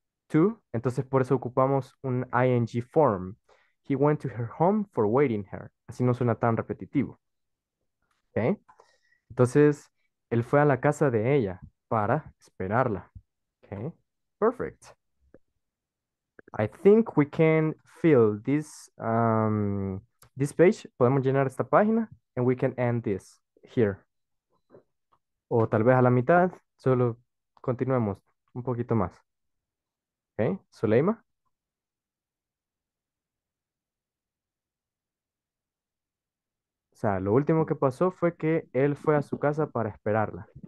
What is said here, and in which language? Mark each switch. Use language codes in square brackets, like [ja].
[es] to, entonces por eso ocupamos un ing form. [en] He went to her home for waiting her. [es] Así no suena tan repetitivo. [en] ¿Okay? [es] Entonces, él fue a la casa de ella para esperarla. [en] ¿Okay? Perfect. I think we can fill this this page. [es] Podemos llenar esta página [en] and we can end this here. [es] O tal vez a la mitad, solo continuemos un poquito más. ¿Okay? Suleima. O sea, lo último que pasó fue que él fue a su casa para esperarla.